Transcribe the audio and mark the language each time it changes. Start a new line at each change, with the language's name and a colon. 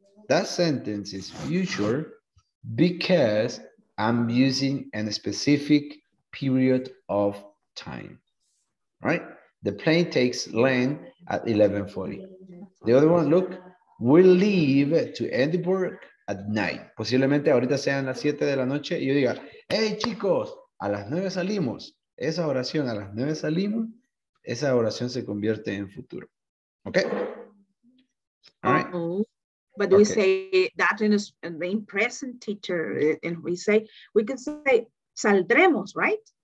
English: That sentence is future because I'm using a specific period of time, right? The plane takes land at 11:40. The other one, look, we leave to Edinburgh at night.
Spanish: Posiblemente ahorita sean las 7 de la noche y yo diga, hey chicos, a las 9 salimos. Esa oración, a las 9 salimos, esa oración se convierte en futuro.
English: Okay? All right. Uh-oh. But okay, we say that in the present teacher, and we say, we can say, saldremos, right?